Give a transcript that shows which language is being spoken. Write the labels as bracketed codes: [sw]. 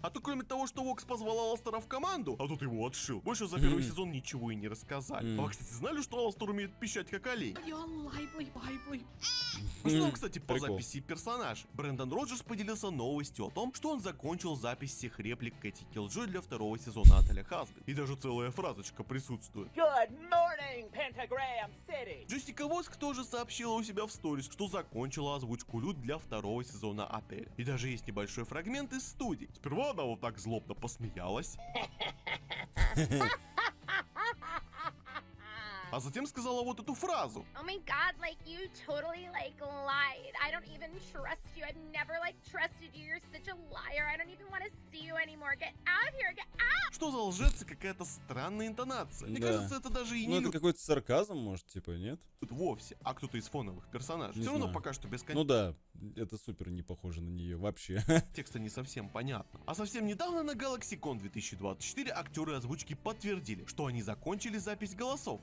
[ru] А то кроме того, что Вокс позвал Алластера в команду, а тут его отшил, больше за первый сезон ничего и не рассказали. А вы, кстати, знали, что Алластер умеет пищать, как олень? Я лайбой-байбой. Ну, кстати, по записи персонаж. Брэндон Роджерс поделился новостью о том, что он закончил запись всех реплик Кэти Киллджой для второго сезона Отеля Хасбин. И даже целая фразочка присутствует. [en] Good morning, Pentagram City. [ru] Джессика Воск тоже сообщила у себя в сторис, что закончила озвучку Люд для второго сезона Отеля. И даже есть небольшой фрагмент из студии. Сперва она вот так злобно посмеялась. А затем сказала вот эту фразу. [en] Oh my god, like you totally like lied. I don't even trust you. I've never like trusted you. You're such a liar. I don't even want to see you anymore. Get out of here. Get out. [ru] Что за лжец и какая-то странная интонация? Мне кажется, это даже и не... Ну это какой-то сарказм, может, типа, нет? Тут вовсе. А кто-то из фоновых персонажей. Не Все знаю. Равно пока что без контекста. Ну да, это супер не похоже на нее вообще. Текста не совсем понятно. А совсем недавно на GalaxyCon 2024 актеры озвучки подтвердили, что они закончили запись голосов.